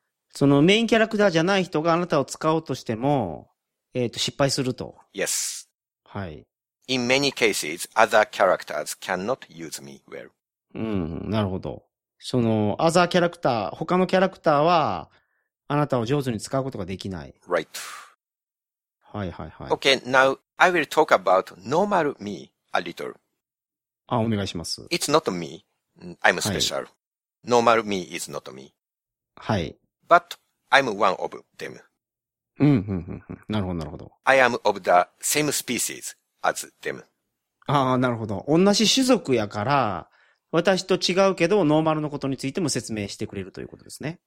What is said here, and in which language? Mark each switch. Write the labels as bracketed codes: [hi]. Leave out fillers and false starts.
[ja] その、メインキャラクターじゃない人があなたを使おうとしても、失敗すると。 [en] Yes. はい。 In many cases, other characters cannot use me well. [ja] うん、なるほど。その、other キャラクター、他のキャラクターは、あなたを上手に使うことができない。 [en] Right. はいはいはい。 Okay, now, I will talk about normal me a little. [ja] あ、お願いします。 [en] It's not me. I'm special.、はい、normal me is not me. はい。 But, I'm one of them. [ja] うん、うん、うん。なるほど、なるほど。 [en] I am of the same species as them. [ja] ああ、なるほど。同じ種族やから、私と違うけど、ノーマルのことについても説明してくれるということですね。